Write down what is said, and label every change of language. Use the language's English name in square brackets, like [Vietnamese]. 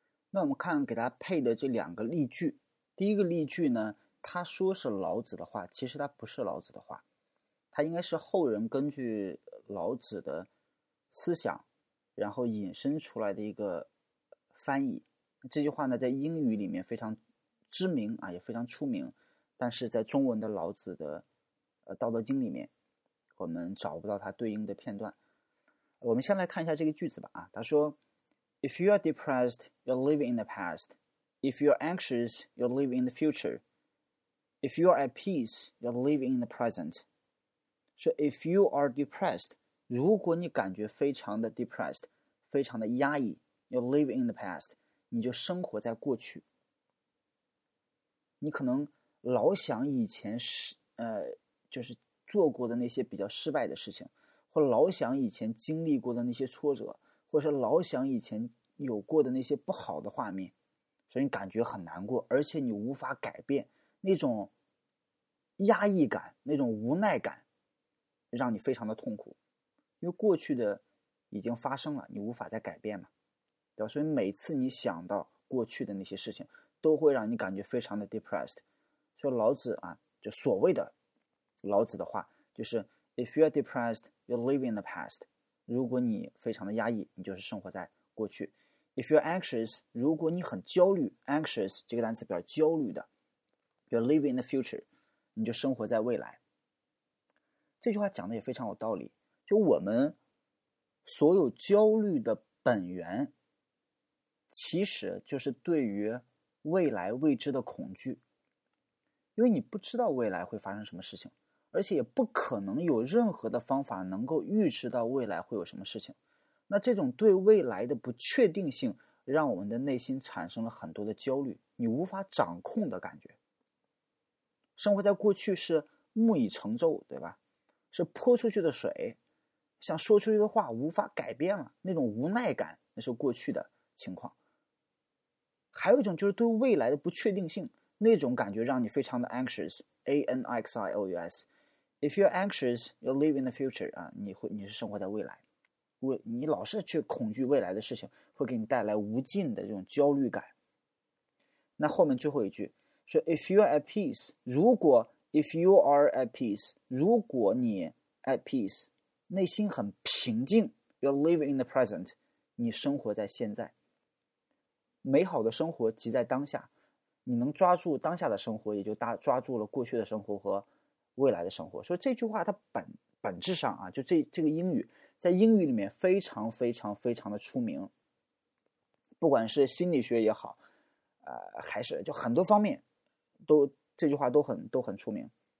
[Chinese] 那我们看给他配的这两个例句，第一个例句呢，他说是老子的话，其实他不是老子的话，他应该是后人根据老子的思想，然后引申出来的一个翻译。这句话呢，在英语里面非常知名啊，也非常出名。但是在中文的老子的道德经里面，我们找不到它对应的片段。我们先来看一下这个句子吧啊，他说 If you are depressed, you're living in the past. [English] If you're anxious, you're living in the future. If you're at peace, you're living in the present. [Chinese] So if you are depressed, 如果你感觉非常的 depressed, 非常的压抑， you're living in the past, 你就生活在过去。你可能老想以前就是做过的那些比较失败的事情，或老想以前经历过的那些挫折，或者是老想以前有过的那些不好的画面，所以你感觉很难过，而且你无法改变那种压抑感，那种无奈感让你非常的痛苦，因为过去的已经发生了，你无法再改变嘛，对吧？所以每次你想到过去的那些事情都会让你感觉非常的 depressed。所以老子啊，就所谓的老子的话，就是 If you are depressed, you live in the past。如果你非常的压抑，你就是生活在过去。 If you are anxious, 如果你很焦虑， anxious 这个单词表示焦虑的， you are living in the future, 你就生活在未来。这句话讲的也非常有道理，就我们所有焦虑的本源其实就是对于未来未知的恐惧，因为你不知道未来会发生什么事情，而且也不可能有任何的方法能够预知到未来会有什么事情。那这种对未来的不确定性让我们的内心产生了很多的焦虑，你无法掌控的感觉。生活在过去是木已成舟，对吧？是泼出去的水，像说出去的话无法改变了，那种无奈感那是过去的情况。还有一种就是对未来的不确定性，那种感觉让你非常的 anxious, A-N-I-X-I-O-U-S. [English] If you're anxious, you live in the future, 啊，你是生活在未来。 [Chinese] 你老是去恐惧未来的事情，会给你带来无尽的这种焦虑感。那后面最后一句，说 if you're at peace, 如果 if you are at peace, 如果你 at peace, 内心很平静， you're living in the present, 你生活在现在。美好的生活即在当下，你能抓住当下的生活，也就抓住了过去的生活和未来的生活。所以这句话它本质上啊，就这个英语在英语里面非常非常非常的出名，不管是心理学也好，还是就很多方面都这句话都很出名。